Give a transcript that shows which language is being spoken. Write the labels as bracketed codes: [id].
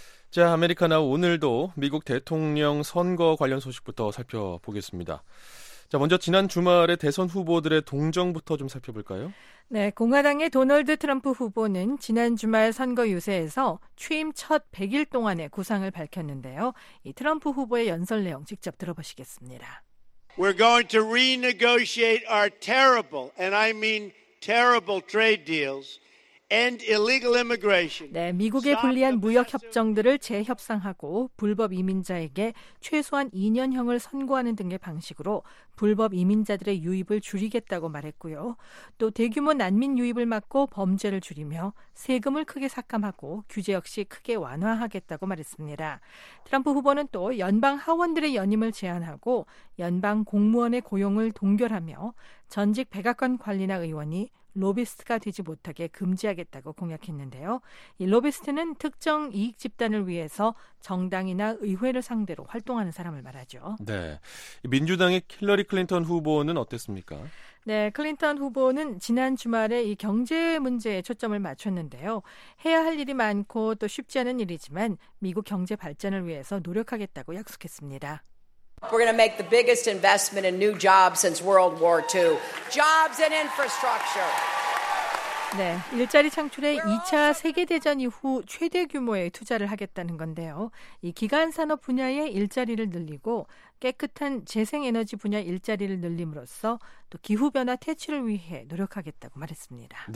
[ko] 자, 아메리카나 오늘도 미국 대통령 선거 관련 소식부터 살펴보겠습니다. 자, 먼저 지난 주말에 대선 후보들의 동정부터 좀 살펴볼까요? 네, 공화당의 도널드 트럼프 후보는 지난 주말 선거 유세에서 취임 첫 100일 동안의 구상을 밝혔는데요. 이 트럼프 후보의 연설 내용 직접 들어보시겠습니다. [en] We're going to renegotiate our terrible, and I mean terrible trade deals. And illegal immigration. [ko] 네, 미국의 불리한 무역 협정들을 재협상하고 불법 이민자에게 최소한 2년형을 선고하는 등의 방식으로 불법 이민자들의 유입을 줄이겠다고 말했고요. 또 대규모 난민 유입을 막고 범죄를 줄이며 세금을 크게 삭감하고 규제 역시 크게 완화하겠다고 말했습니다. 트럼프 후보는 또 연방 하원들의 연임을 제한하고 연방 공무원의 고용을 동결하며 전직 백악관 관리나 의원이 로비스트가 되지 못하게 금지하겠다고 공약했는데요. 이 로비스트는 특정 이익 집단을 위해서 정당이나 의회를 상대로 활동하는 사람을 말하죠. 네. 민주당의 힐러리 클린턴 후보는 어땠습니까? 네, 클린턴 후보는 지난 주말에 이 경제 문제에 초점을 맞췄는데요. 해야 할 일이 많고 또 쉽지 않은 일이지만 미국 경제 발전을 위해서 노력하겠다고 약속했습니다. [en] We're going to make the biggest investment in new jobs since World War II. Jobs and infrastructure. [ko] 네, 일자리 창출에 2차 세계대전 이후 최대 규모의 투자를 하겠다는 건데요. 이 기간산업 분야의 일자리를 늘리고 깨끗한 재생에너지 분야 일자리를 늘림으로써 또 기후변화 퇴치를 위해 노력하겠다고 말했습니다.